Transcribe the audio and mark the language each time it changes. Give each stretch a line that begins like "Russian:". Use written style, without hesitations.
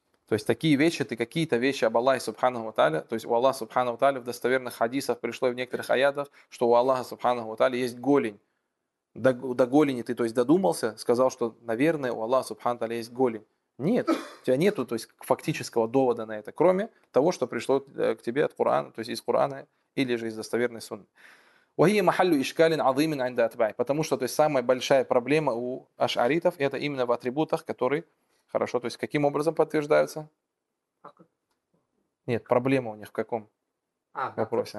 Russian: То есть такие вещи, ты какие-то вещи об Аллахе Субханаху ва Тааля, то есть у Аллаха Субханаху ва Тааля в достоверных хадисах пришло и в некоторых аятах, что у Аллаха Субханаху ва Тааля есть голень. До голени ты, то есть додумался, сказал, что, наверное, у Аллаха Субханаху ва Тааля есть голень. Нет, у тебя нету, то есть фактического довода на это, кроме того, что пришло к тебе от Корана, то есть из Корана или же из достоверной сунны.
Arabic: وَهِيَ مَحَلُّ إِشْكَالٍ عَظِيمٍ عِنْدَ أَتْبَاعِ.
Russian: Потому что, то есть самая большая проблема у ашаритов, это именно в атрибутах, которые хорошо, то есть каким образом подтверждаются? Нет, проблема у них в каком вопросе?